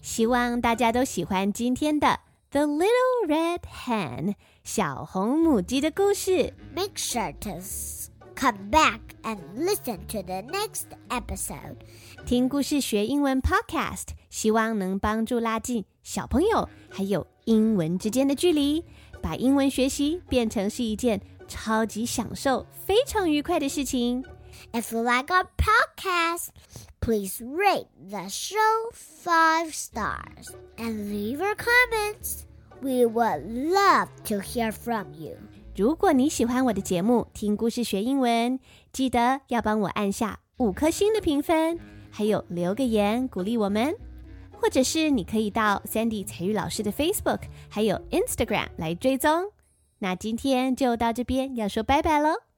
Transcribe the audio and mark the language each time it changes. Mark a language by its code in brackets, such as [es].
[zh] 希望大家都喜欢今天的 The Little Red Hen 小红母鸡的故事。 [en] Make sure to come back and listen to the next episode. [zh] 听故事学英文 podcast， 希望能帮助拉近小朋友还有英文之间的距离，把英文学习变成是一件超级享受非常愉快的事情。 [en] If you like our podcast, please rate the show 5 stars and leave your comments. We would love to hear from you. [zh] 如果你喜欢我的节目听故事学英文，记得要帮我按下5颗星的评分，还有留个言鼓励我们，或者是你可以到 Sandy 彩玉老师的 Facebook 还有 Instagram 来追踪。那今天就到这边，要说拜拜喽。